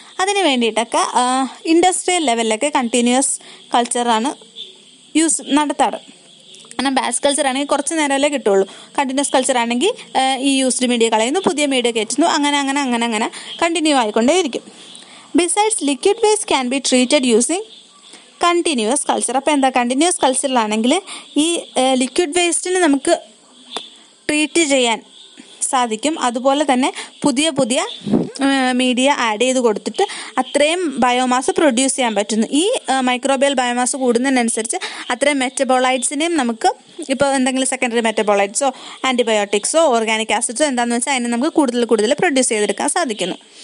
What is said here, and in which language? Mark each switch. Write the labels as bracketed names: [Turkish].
[Malayalam] അതിന് വേണ്ടിയിട്ടൊക്കെ industrial ലെവലിലൊക്കെ continuous കൾച്ചറാണ് use നടത്താറ്. കാരണം ബാച്ച് കൾച്ചർ ആണെങ്കിൽ കുറച്ച് നേരമല്ലേ കിട്ടുകയുള്ളൂ. കണ്ടിന്യൂസ് കൾച്ചർ ആണെങ്കിൽ ഈ യൂസ്ഡ് മീഡിയ കളയുന്നു, പുതിയ മീഡിയ കയറ്റുന്നു, അങ്ങനെ അങ്ങനെ അങ്ങനെ അങ്ങനെ കണ്ടിന്യൂ ആയിക്കൊണ്ടേ ഇരിക്കും. [English] Besides, liquid waste can be treated using continuous culture. [Malayalam] അപ്പോൾ എന്താ, കണ്ടിന്യൂസ് കൾച്ചറിലാണെങ്കിൽ ഈ ലിക്വിഡ് വേസ്റ്റിന് നമുക്ക് ട്രീറ്റ് ചെയ്യാൻ സാധിക്കും. അതുപോലെ തന്നെ പുതിയ പുതിയ മീഡിയ ആഡ് ചെയ്ത് കൊടുത്തിട്ട് അത്രയും ബയോമാസ് പ്രൊഡ്യൂസ് ചെയ്യാൻ പറ്റുന്നു. ഈ മൈക്രോബിയൽ ബയോമാസ് കൂടുന്നതിനനുസരിച്ച് അത്രയും മെറ്റബോളൈറ്റ്സിനെയും നമുക്ക്, ഇപ്പോൾ എന്തെങ്കിലും സെക്കൻഡറി മെറ്റബോളൈറ്റ്സോ ആൻറ്റിബയോട്ടിക്സോ ഓർഗാനിക് ആസിഡ്സോ എന്താണെന്ന് വെച്ചാൽ അതിനെ നമുക്ക് കൂടുതൽ കൂടുതൽ പ്രൊഡ്യൂസ് ചെയ്തെടുക്കാൻ സാധിക്കുന്നു.